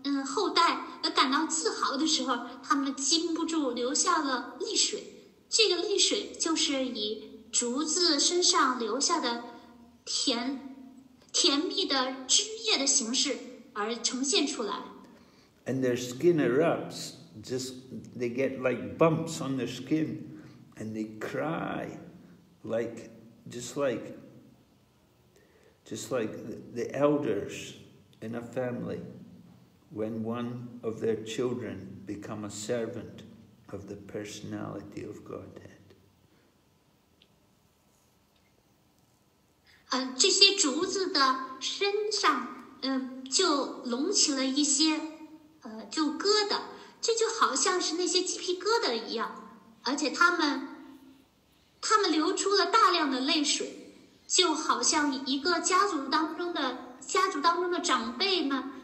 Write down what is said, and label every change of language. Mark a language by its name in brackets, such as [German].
[Chinese] 后代而感到自豪的时候，他们禁不住流下了泪水。这个泪水就是以竹子身上留下的甜蜜的汁液的形式而呈现出来。 [English] And their skin erupts, just they get like bumps on their skin, and they cry, like the elders in a family. When one of their children become a servant of the personality of Godhead. [Chinese] 这些竹子的身上，就隆起了一些，就疙瘩，这就好像是那些鸡皮疙瘩一样，而且他们流出了大量的泪水，就好像一个家族当中的长辈们。